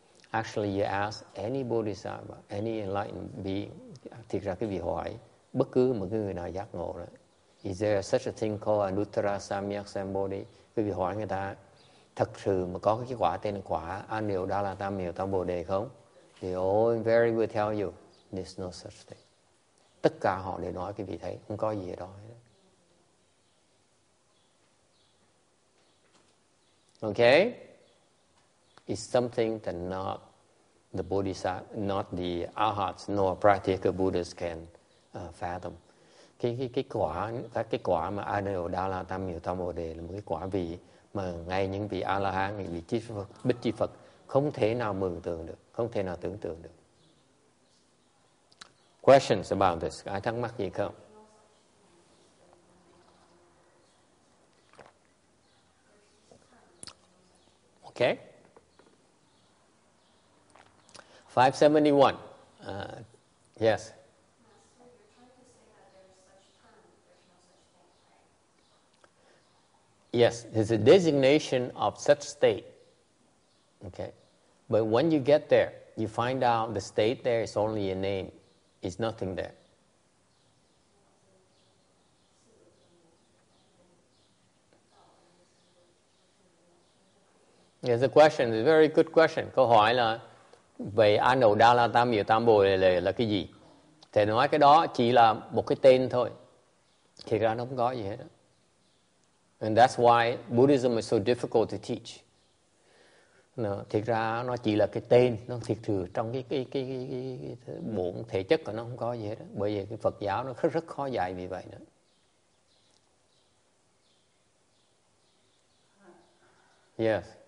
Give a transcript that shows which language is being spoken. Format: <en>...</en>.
<en>Actually, you ask any bodhisattva, any enlightened being,</en> <vi>thiệt ra cái vị hỏi, bất cứ một người nào giác ngộ đó,</vi> <en>is there such a thing called anuttara samyak sambodhi?</en> <vi>Cái vị hỏi người ta, thật sự mà có cái quả tên là quả Aniu Đa La Tam Miu Tam Bồ Đề không?</vi> <en>They all very will tell you, there's no such thing.</en> <vi>Tất cả họ đều nói cái vị thấy, không có gì ở đó.</vi> <en>Okay? It's something that not the Bodhisattva, not the Arhats, nor practical Buddhists can fathom.</en> <vi>Cái quả mà Aniu Đa La Tam Miu Tam Bồ Đề là một cái quả vị mà ngay những vị A-la-hán, những vị Bích Chi Phật không thể nào mường tượng được, không thể nào tưởng tượng được.</vi> <en>Questions about this?</en> <vi>Ai thắc mắc gì không?</vi> <en>Okay. 571. Yes. Yes, it's a designation of such state. Okay. But when you get there, you find out the state there is only a name. It's nothing there. There's a question, it's a very good question.</en> <vi>Câu hỏi là về Anuddha La Tam Miu Tam Bồ Đề là cái gì? Thầy nói cái đó chỉ là một cái tên thôi. Thiệt ra nó không có gì hết.</vi> <en>And that's why Buddhism is so difficult to teach.</en> <vi>No, thực ra nó chỉ là cái tên, nó thiệt thừa trong cái bổn thể chất của nó không có gì hết. Bởi vì cái Phật giáo nó rất khó dạy vì vậy nữa.</vi> <en>Yes.</en>